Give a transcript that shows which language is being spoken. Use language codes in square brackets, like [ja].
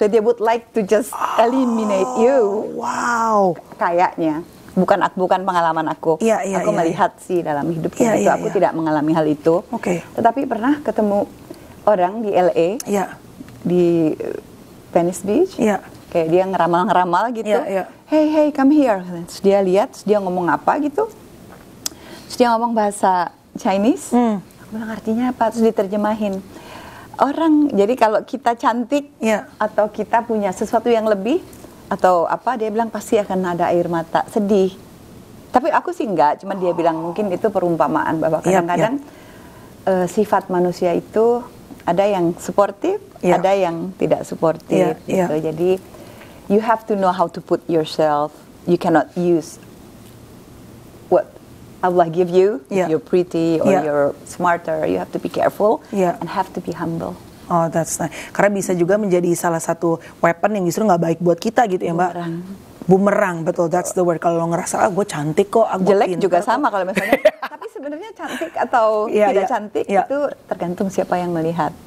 [en] So they would like to just eliminate you. Wow. [id] Kayaknya. Bukan pengalaman aku. [en] Yeah, yeah, [id] aku melihat sih dalam hidup itu. [en] Yeah, [id] aku tidak mengalami hal itu. [en] Okay. [id] Tetapi pernah ketemu orang di LA. [en] Yeah. [id] Di Venice Beach. [en] Yeah. [id] Kayak dia ngeramal-ngeramal gitu. [en] Yeah, yeah. Hey, come here. [id] Terus dia lihat, dia ngomong apa gitu. Terus dia ngomong bahasa Chinese, aku bilang, artinya apa? Terus diterjemahin. Orang, jadi kalau kita cantik, atau kita punya sesuatu yang lebih, atau apa, dia bilang pasti akan ada air mata, sedih. Tapi aku sih enggak, cuman dia bilang mungkin itu perumpamaan, bahwa kadang-kadang sifat manusia itu ada yang suportif, ada yang tidak suportif. Gitu. Jadi, [en] you have to know how to put yourself, you cannot use Allah give you, if you're pretty or you're smarter, you have to be careful and have to be humble. Oh, that's nice. [id] Karena bisa juga menjadi salah satu weapon yang justru gak baik buat kita gitu ya, Mbak. Bumerang, betul, [en] that's the word. [id] Kalau lo ngerasa, ah, gue cantik kok, ah, gue jelek juga sama kalau misalnya. Tapi sebenarnya cantik atau tidak cantik itu tergantung siapa yang melihat.